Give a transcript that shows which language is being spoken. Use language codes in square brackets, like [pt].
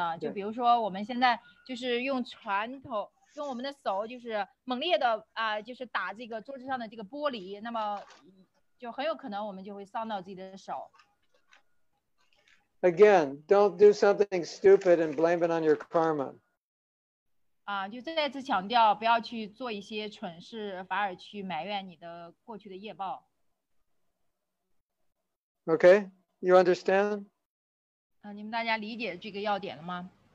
[zh] 就我们现在谈论到了，就是说我们来自于我们过往生世的这个业报，还有说我们当下的所作所为所带来的业报，还有一种是由于这个就是说物质自然的这个法则起作用它所产生的。就比如说我们现在就是用拳头。用我们的手就是猛烈的就是打这个桌子上的这个玻璃，那么就很有可能我们就会伤到自己的手。Again, [en] don't do something stupid and blame it on your karma. [zh] 就再次强调，不要去做一些蠢事，反而去埋怨你的过去的业报。Okay, [en] you understand? [zh] 你们大家理解这个要点了吗？